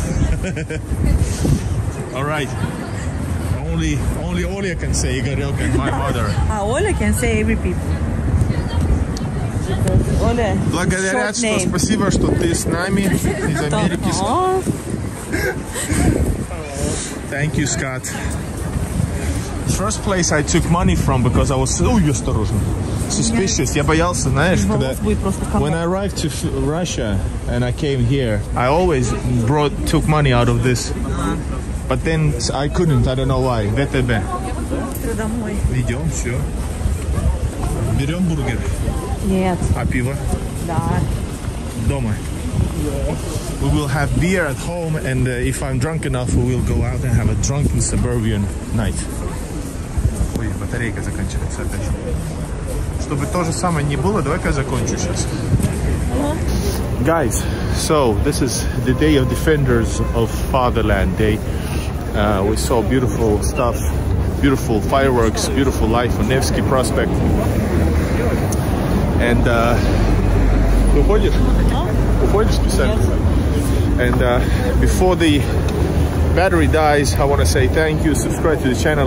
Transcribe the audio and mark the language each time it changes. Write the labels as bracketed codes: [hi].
[en] All right. Only Оля can say Игорёк and my mother. А Оля can say every people. [ru] Благодаря, что спасибо, что ты с нами из Америки. [en] Thank you, Scott. First place I took money from because I was suspicious. [ru] Я боялся, знаешь, когда... [en] When I arrived to Russia and I came here, I always took money out of this. But then I couldn't, I don't know why. [ru] ВТБ. Идем, все. Берем бургер? Нет. А пиво? Да. Дома? [en] We will have beer at home, and if I'm drunk enough, we will go out and have a drunken suburban night. [ru] Ой, батарейка заканчивается опять. Чтобы то же самое не было, давай-ка закончу сейчас. [en] Guys, so this is the day of defenders of Fatherland Day. We saw beautiful stuff, beautiful fireworks, beautiful life on Nevsky Prospect. And before the battery dies, I want to say thank you, subscribe to the channel.